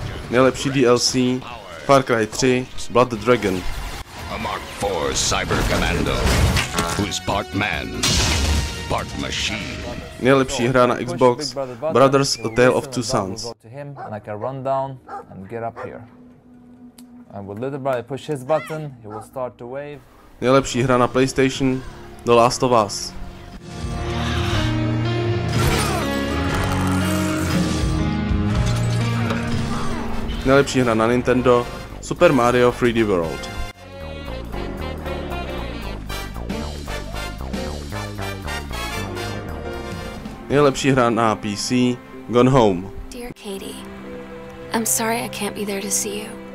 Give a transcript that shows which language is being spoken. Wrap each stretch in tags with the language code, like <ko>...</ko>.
<cs>Nejlepší DLC Far Cry 3 Blood Dragon.</cs> <en>A Mark IV Cyber Commando, who's part man, part machine.</en> <cs>Nejlepší hra na Xbox Brothers A Tale of Two Sons.</cs> <en>And I can run down and get up here. And with little brother push his button, he will start to wave.</en> <cs>Nejlepší hra na PlayStation The Last of Us. Nejlepší hra na Nintendo Super Mario 3D World. Nejlepší hra na PC Gone Home.</cs> <en>Dear Katie, I'm sorry I can't be there to see you.</en>